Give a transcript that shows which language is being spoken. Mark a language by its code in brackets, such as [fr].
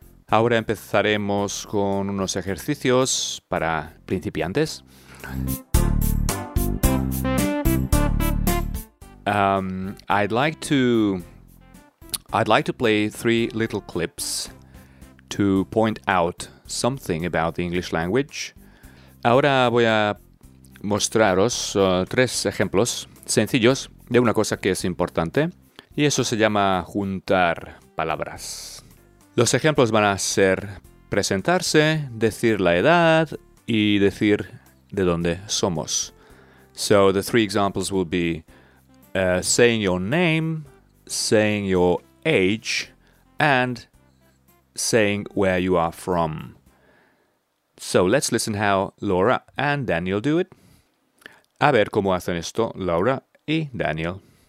[es] Ahora empezaremos con unos ejercicios para principiantes. [en] I'd like to play three little clips to point out something about the English language. [es] Ahora voy a mostraros tres ejemplos sencillos de una cosa que es importante, y eso se llama juntar palabras. Los ejemplos van a ser presentarse, decir la edad y decir de dónde somos. [en] So the three examples will be saying your name, saying your age, and saying where you are from. So let's listen how Laura and Daniel do it. [es] A ver cómo hacen esto Laura y Daniel.